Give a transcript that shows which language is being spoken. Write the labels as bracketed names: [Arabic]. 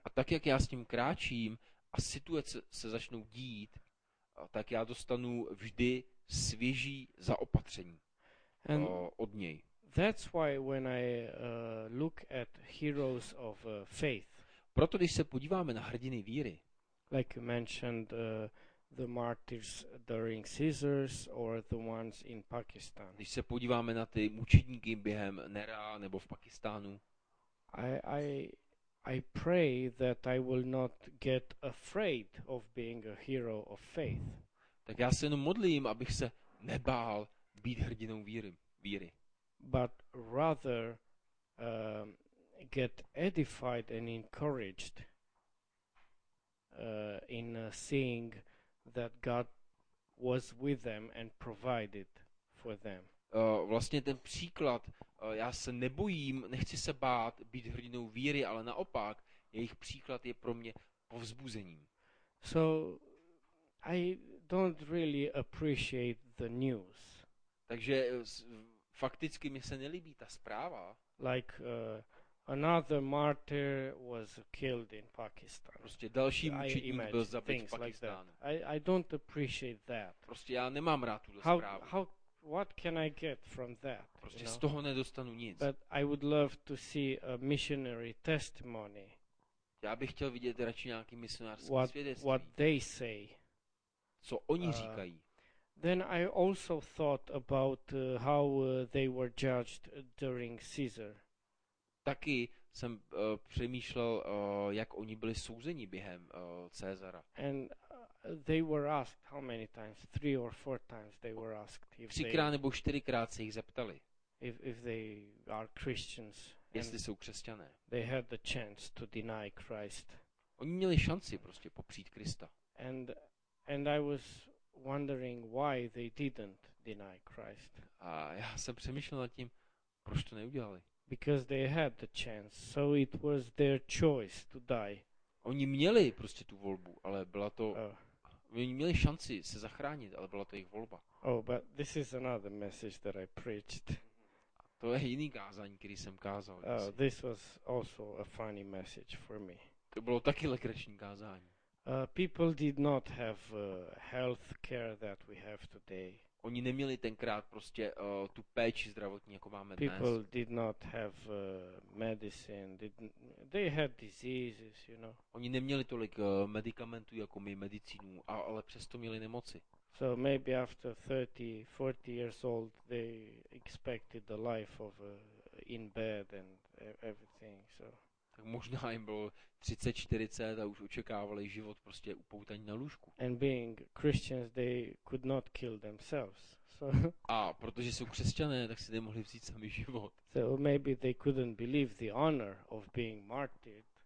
[Czech] A tak jak já s ním kráčím a situace se začnou dít, tak já dostanu vždy svěží zaopatření od něj. [English] That's why when I look at heroes of faith. [Czech] Proto když se podíváme na hrdiny víry, [English] like you mentioned the martyrs during Caesars or the ones in Pakistan. [Czech] Když se podíváme na ty mučedníky během Nera nebo v Pakistánu, [English] I pray that I will not get afraid of being a hero of faith. [Czech] Tak já se jenom modlím, abych se nebál být hrdinou víry. [English] But rather get edified and encouraged in seeing that God was with them and provided for them. [Czech] Vlastně ten příklad, já se nebojím, nechci se bát být hrdinou víry, ale naopak, jejich příklad je pro mě povzbuzením. [English] So I don't really appreciate the news. [Czech] Takže fakticky mi se nelíbí ta zpráva. [English] Like another martyr was killed in Pakistan. [Czech] Prostě další mučedník byl zabit v Pakistánu. [English] Like I don't appreciate that. [Czech] Prostě já nemám rád tuhle [English] how, [Czech] zprávu. [English] How what can I get from that? [Czech] Prostě z toho nedostanu nic. [English] But I would love to see a missionary testimony. [Czech] Já bych chtěl vidět radši nějaký misionářský svědectví. [English] What they say. [Czech] Co oni říkají. [English] Then I also thought about how they were judged during Caesar. [Czech] Taky jsem přemýšlel, jak oni byli souzeni během Cezara. [English] And they were asked how many times, 3 or 4 times they were asked. [Czech] Třikrát nebo čtyřikrát se jich zeptali. [English] If they are Christians. [Czech] Jestli jsou křesťané. [English] They had the chance to deny Christ. [Czech] Oni měli šanci prostě popřít Krista. [English] And I was wondering why they didn't deny Christ. [Czech] A já jsem přemýšlel nad tím, proč to neudělali. [English] Because they had the chance, so it was their choice to die. [Czech] Oni měli prostě tu volbu, ale byla to oni měli šanci se zachránit, ale byla to jejich volba. [English] Oh, but this is another message that I preached. [Czech] A to je jiný kázání, který jsem kázal. [English] Oh, this was also a funny message for me. [Czech] To bylo taky legrační kázání. [English] People did not have health care that we have today. [Czech] Oni neměli tenkrát prostě tu péči zdravotní, jako máme dnes. [English] People did not have medicine. They had diseases, you know. [Czech] Oni neměli tolik medicamentů jako my medicínu, ale přesto měli nemoci. [English] So maybe after 30, 40 years old, they expected the life of in bed and everything. So. [Czech] Tak možná jim bylo 30, 40 a už očekávali život prostě upoutaní na lůžku. [English] And being Christians, they could not kill themselves. So [Czech] a protože jsou křesťané, tak si nemohli vzít sami život. [English] So maybe they couldn't believe the honor of being martyred.